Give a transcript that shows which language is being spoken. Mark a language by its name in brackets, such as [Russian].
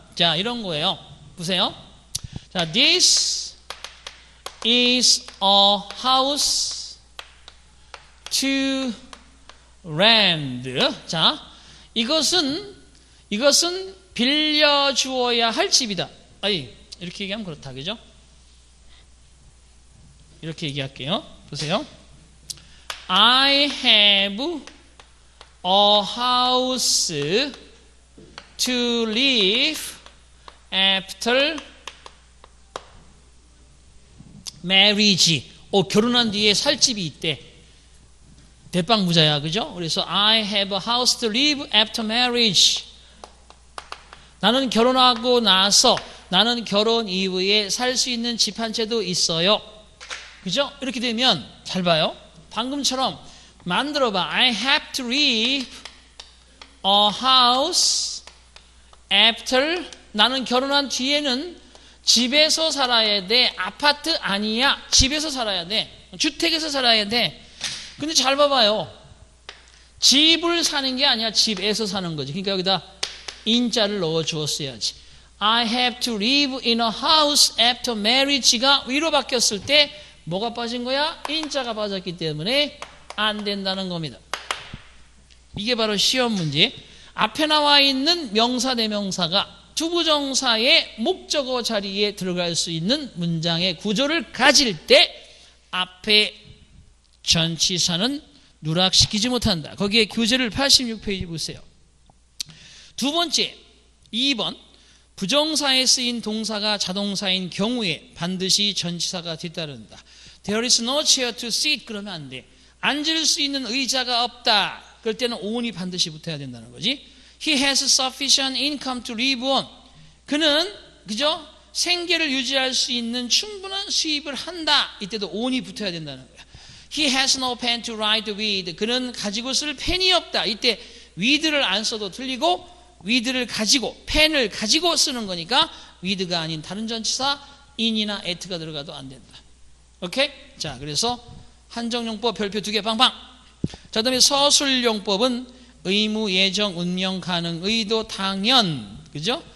[English] 자, [Korean] 이런 거예요. 보세요. [English] 자, this is a house to rent. [Korean] 자, 이것은 빌려주어야 할 집이다. 아니, 이렇게 얘기하면 그렇다, 그죠? 이렇게 얘기할게요. 보세요. [English] I have a house to live after marriage. [Korean] 어, 결혼한 뒤에 살 집이 있대. 대빵 부자야, 그죠? 그래서 [English] I have a house to live after marriage. [Korean] 나는 결혼하고 나서 나는 결혼 이후에 살 수 있는 집 한 채도 있어요. 그죠? 이렇게 되면 잘 봐요. 방금처럼 만들어봐. [English] I have to live a house after [Korean] 나는 결혼한 뒤에는 집에서 살아야 돼. 아파트 아니야. 집에서 살아야 돼. 주택에서 살아야 돼. 근데 잘 봐봐요. 집을 사는 게 아니야. 집에서 사는 거지. 그러니까 여기다 인자를 넣어주었어야지. [English] I have to live in a house after marriage가 [Korean] 위로 바뀌었을 때 뭐가 빠진 거야? 인자가 빠졌기 때문에 안 된다는 겁니다. 이게 바로 시험 문제. 앞에 나와 있는 명사 대명사가 투부정사의 목적어 자리에 들어갈 수 있는 문장의 구조를 가질 때 앞에 전치사는 누락시키지 못한다. 거기에 교재를 86페이지 보세요. 두 번째, 2번. 부정사에 쓰인 동사가 자동사인 경우에 반드시 전치사가 뒤따른다. [English] There is no chair to sit. [Korean] 그러면 안 돼. 앉을 수 있는 의자가 없다. 그럴 때는 on이 반드시 붙어야 된다는 거지. [English] He has sufficient income to live on. [Korean] 그는, 그죠? 생계를 유지할 수 있는 충분한 수입을 한다. 이때도 on이 붙어야 된다는 거야. [English] He has no pen to write with. [Korean] 그는 가지고 쓸 펜이 없다. 이때 with를 안 써도 틀리고 with를 가지고 펜을 가지고 쓰는 거니까 with가 아닌 다른 전치사 in이나 at가 들어가도 안 된다. 오케이? 자, 그래서 한정용법 별표 두 개 빵빵. 자, 그다음에 서술용법은 의무, 예정, 운명, 가능, 의도, 당연, 그죠?